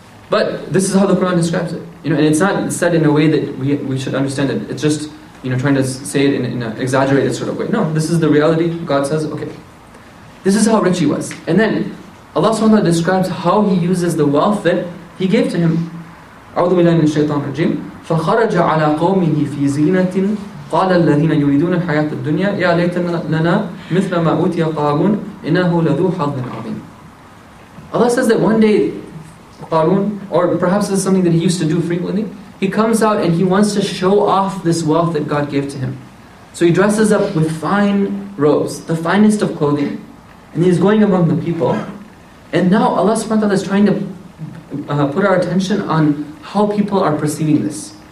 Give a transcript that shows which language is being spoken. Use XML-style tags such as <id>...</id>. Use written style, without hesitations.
<en>But this is how the Quran describes it. You know, and it's not said in a way that we should understand it. It's just, you know, trying to say it in an exaggerated sort of way. No, this is the reality. God says, okay. This is how rich he was. And then Allah subhanahu wa ta'ala describes how he uses the wealth that he gave to him.</en> <ar>أعوذ بالله من الشيطان الرجيم فخرج على قومه في زينة قال الذين يريدون الحياة الدنيا يا ليت لنا مثل ما أوتي قارون إنه لذو حظ عظيم.</ar> <en>Allah says that one day Qarun, or perhaps this is something that he used to do frequently, he comes out and he wants to show off this wealth that God gave to him. So he dresses up with fine robes, the finest of clothing, and he's going among the people. And now Allah subhanahu wa ta'ala is trying to put our attention on how people are perceiving this.</en>